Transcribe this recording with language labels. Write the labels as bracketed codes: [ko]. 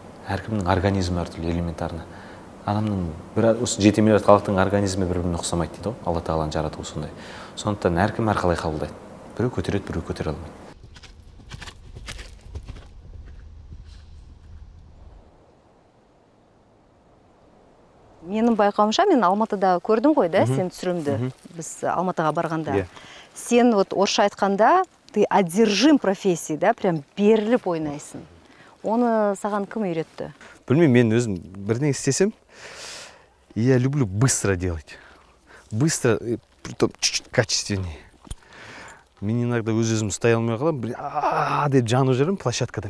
[kk] Әркімнің организмі әртүрлі элементарны. Адамның бір осы 7 миллиард халықтың организмі бір-біріне ұқсамайды дейді ғой. Алла Тағаланың жаратуы сондай. Сондықтан әркім әрқалай қабылдайды. Біреу көтереді, біреу көтере алмайды. Менің байқауымша, мен Алматыда көрдім ғой да, сен түсірімді. Біз Алматыға барғанда. Сен вот орысша айтқанда, [ru] ты одержим профессией, [kk] да, прям беріліп ойнайсың. Оны саған кім үйретті? Білмеймін, мен өзім бірден істесем, [ru] я люблю быстро делать. Быстро, притом чуть-чуть качественнее. [kk] Мен иногда өз-өзім ұстай алмай қалам, деп жанып жүрмін площадкада.